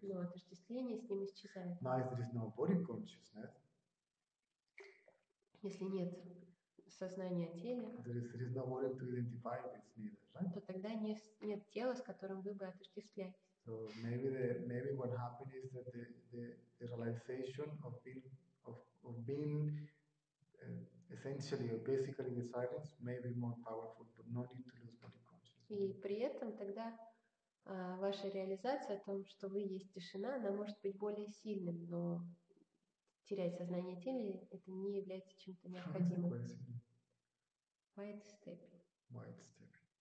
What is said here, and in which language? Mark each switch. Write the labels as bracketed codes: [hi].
[ru] Но отождествление с ним исчезает. [en] Now if there is no body consciousness. [ru] Если нет сознание о теле, [en] there is no body to identify with neither, right? [ru] То тогда нет тела, с которым вы бы отождествлялись. [en] So maybe what happened is that the realization of being essentially or basically the silence may be more powerful, but no need to lose body consciousness. [ru] И при этом тогда ваша реализация о том, что вы есть тишина, она может быть более сильным, но терять сознание тела это не является чем-то необходимым. [en] White stepping. White stepping.